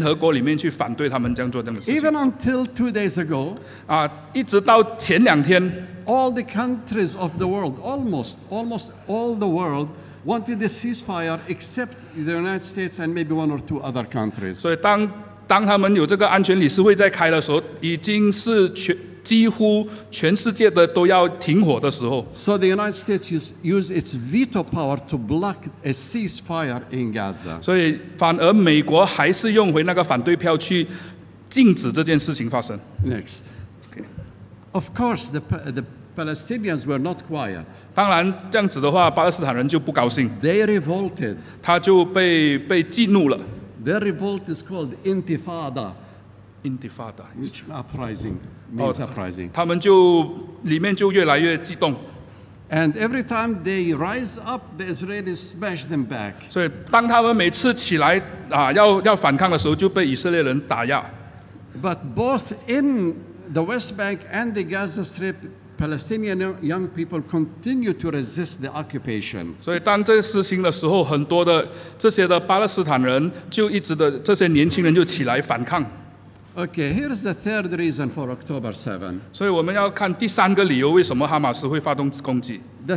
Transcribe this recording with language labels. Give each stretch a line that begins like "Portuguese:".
Chinese: 所以当这些事情，他们敢这样做，是因为美国会用他的这一个反对票，在联合国里面去反对他们这样做这样的事情。
English: Even until 2 days ago,
Chinese: 一直到前两天，
English: all the countries of the world, almost all the world, wanted the ceasefire except the United States and maybe one or two other countries.
Chinese: 所以当他们有这个安全理事会在开的时候，已经是全。几乎全世界的都要停火的时候。
English: So the United States used its veto power to block a ceasefire in Gaza.
Chinese: 所以反而美国还是用回那个反对票去禁止这件事情发生。
English: Next. Okay. Of course, the Palestinians were not quiet.
Chinese: 当然这样子的话，巴勒斯坦人就不高兴。
English: They revolted.
Chinese: 他就被激怒了。
English: Their revolt is called Intifada. Intifada. Which is uprising. Not surprising.
Chinese: 他们就里面就越来越激动。
English: And every time they rise up, the Israelis smash them back.
Chinese: 所以当他们每次起来要反抗的时候，就被以色列人打压。
English: But both in the West Bank and the Gaza Strip, Palestinian young people continue to resist the occupation.
Chinese: 所以当这事情的时候，很多的这些的巴勒斯坦人就一直的这些年轻人就起来反抗。
English: Okay, here is the third reason for October 7.
Chinese: 所以我们要看第三个理由，为什么哈马斯会发动攻击。
English: The